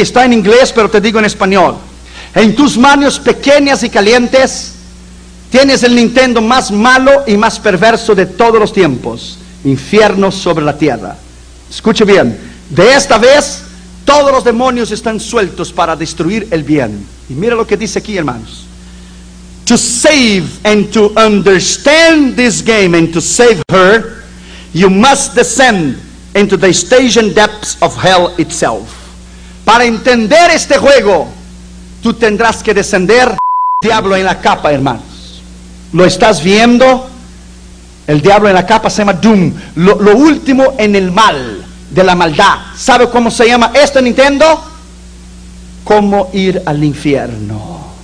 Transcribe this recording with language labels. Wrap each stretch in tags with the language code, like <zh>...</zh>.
<es>Está en inglés, pero te digo en español. En tus manos pequeñas y calientes, tienes el Nintendo más malo y más perverso de todos los tiempos. Infierno sobre la tierra. Escuche bien. De esta vez, todos los demonios están sueltos para destruir el bien. Y mira lo que dice aquí, hermanos.</es> <en>To save and to understand this game and to save her, you must descend into the stagnant depths of hell itself.</en> <es>Para entender este juego, tú tendrás que descender, diablo en la capa, hermanos. ¿Lo estás viendo? El diablo en la capa se llama Doom. Lo último en el mal, de la maldad. ¿Sabe cómo se llama esto, Nintendo? ¿Cómo ir al infierno?</es>